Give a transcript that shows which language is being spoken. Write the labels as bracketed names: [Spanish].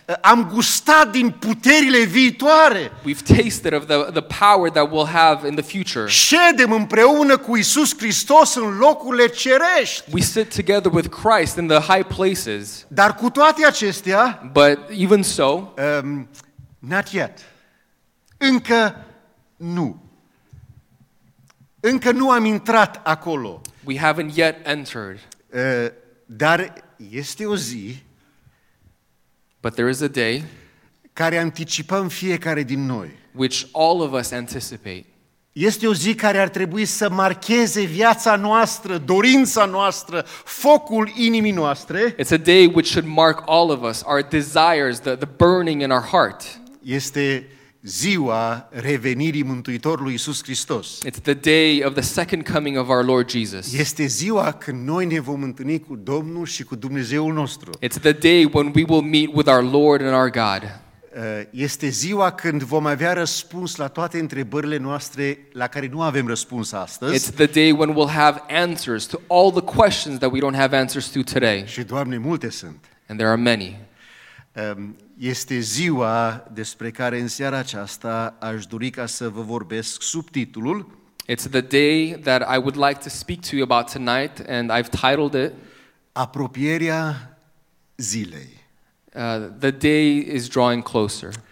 [Romanian] Am gustat din puterile viitoare. [English] We've tasted of the power that we'll have in the future. [Romanian] Ședem împreună cu Iisus Hristos în locurile cerești. [English] We sit together with Christ in the high places. [Romanian] Dar cu toate acestea, [English] but even so, not yet. [Romanian] Încă nu. Încă nu am intrat acolo. [English] We haven't yet entered. [Romanian] Dar este o zi, [English] but there is a day, [Romanian] care anticipăm fiecare din noi, [English] which all of us anticipate. [Romanian] Este o zi care ar trebui să marcheze viața noastră, dorința noastră, focul inimii noastre. [English] It's a day which should mark all of us, our desires, the burning in our heart. [Romanian] Este ziua revenirii Mântuitorului Iisus Hristos. [English] It's the day of the second coming of our Lord Jesus. [Romanian] Este ziua când noi ne vom întâlni cu Domnul și cu Dumnezeul nostru. [English] It's the day when we will meet with our Lord and our God. [Romanian] Este ziua când vom avea răspuns la toate întrebările noastre la care nu avem răspuns astăzi. [English] It's the day when we'll have answers to all the questions that we don't have answers to today. [Romanian] Și Doamne, multe sunt. [English] And there are many. [Romanian] Este ziua despre care în seara aceasta aș dori ca să vă vorbesc sub titlul. [English] It's the day that I would like to speak to you about tonight, and I've titled it [Romanian] Apropierea zilei. [English] The day is drawing closer.